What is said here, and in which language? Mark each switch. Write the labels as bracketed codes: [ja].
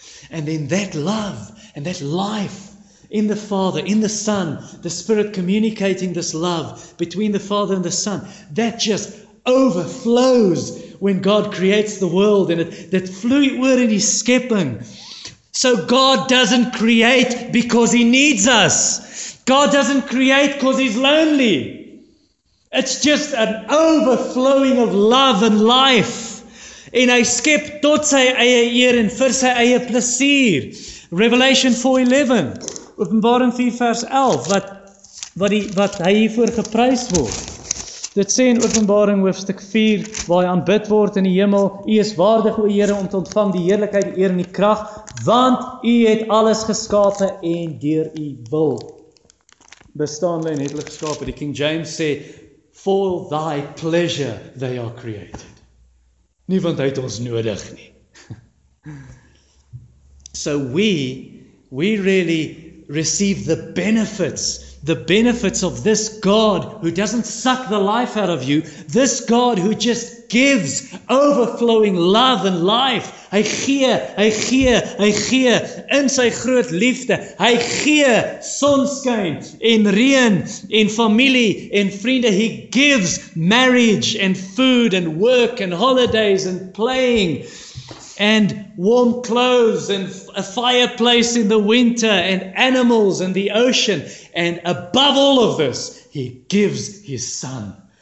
[en] And then that love and that life in the Father, in the Son, the Spirit communicating this love between the Father and the Son, that just overflows when God creates the world and that fluid word in his skepping. So God doesn't create because he needs us. God doesn't create because he's lonely. It's just an overflowing of love and life. [af] En hy skep tot sy eie eer en vir sy eie plesier. [en] Revelation 4:11, [af] Openbaring 4 vers 11, wat hy hiervoor geprys word. Dit sê in Openbaring hoofstuk 4, waar hy aanbid word in die hemel, U is waardig, o Here, om te ontvang die heerlikheid, die eer en die krag, want U het alles geskape en deur U wil. Bestaan en het hulle geskape. Die King James sê, [en] for thy pleasure they are created. [af] Nie want hy het ons nodig nie. [en] So we really receive the benefits of this God who doesn't suck the life out of you, this God who just gives overflowing love and life. [af] Hy gee in sy groot liefde. Hy gee sonskyn en reën en familie en vriende. [en] He gives marriage and food and work and holidays and playing and warm clothes and a fireplace in the winter and animals and the ocean. And above all of this, he gives his Son.